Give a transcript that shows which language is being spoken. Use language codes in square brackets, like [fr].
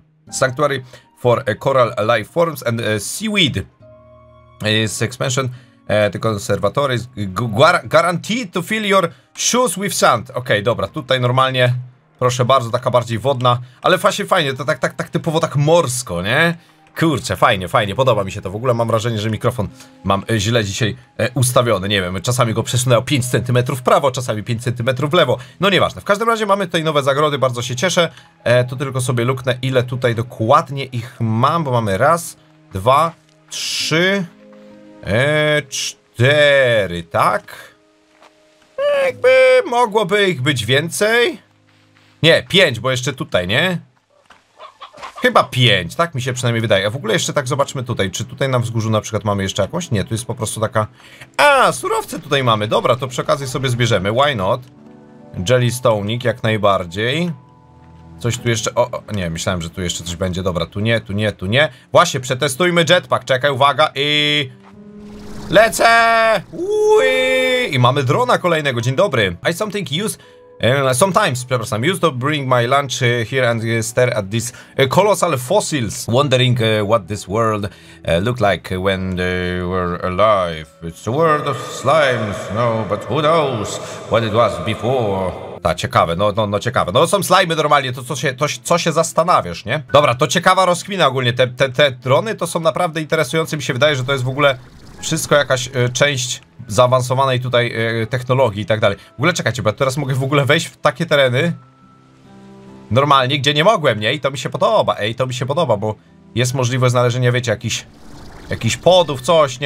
[en] Sanctuary for coral life forms and seaweed. Jest expansion. The conservatory is guaranteed to fill your shoes with sand. [pl] Okej, dobra, tutaj normalnie, proszę bardzo, taka bardziej wodna. Ale właśnie fajnie, to tak typowo tak morsko, nie? Kurczę, fajnie, fajnie, podoba mi się to. W ogóle mam wrażenie, że mikrofon mam źle dzisiaj ustawiony. Nie wiem, czasami go przesunę o 5 cm w prawo, czasami 5 cm w lewo. No nieważne, w każdym razie mamy tutaj nowe zagrody, bardzo się cieszę. To tylko sobie luknę, ile tutaj dokładnie ich mam. Bo mamy raz, dwa, trzy... 4, tak? Jakby mogłoby ich być więcej. Nie, 5, bo jeszcze tutaj, nie? Chyba 5, tak mi się przynajmniej wydaje. A w ogóle jeszcze tak zobaczmy tutaj, czy tutaj na wzgórzu na przykład mamy jeszcze jakąś? Nie, tu jest po prostu taka... A, surowce tutaj mamy, dobra, to przy okazji sobie zbierzemy, [en] why not? [pl] Jellystonik jak najbardziej. Coś tu jeszcze, o, nie, myślałem, że tu jeszcze coś będzie, dobra, tu nie, tu nie, tu nie. Właśnie, przetestujmy jetpack, czekaj, uwaga i... Lecę! Ui! I mamy drona kolejnego, dzień dobry. [en] I something use... sometimes, [pl] przepraszam, [en] used to bring my lunch here and stare at these colossal fossils, wondering what this world looked like when they were alive. It's a world of slimes, no, but who knows what it was before. [pl] Ta, ciekawe, no, no, no, ciekawe. No, są slajmy normalnie, to co się zastanawiasz, nie? Dobra, to ciekawa rozkmina ogólnie, te drony to są naprawdę interesujące, mi się wydaje, że to jest w ogóle wszystko jakaś część zaawansowanej tutaj technologii i tak dalej. W ogóle czekajcie, bo teraz mogę w ogóle wejść w takie tereny normalnie, gdzie nie mogłem, nie? I to mi się podoba, ej, to mi się podoba, bo jest możliwość znalezienia, wiecie, jakichś podów, coś, nie?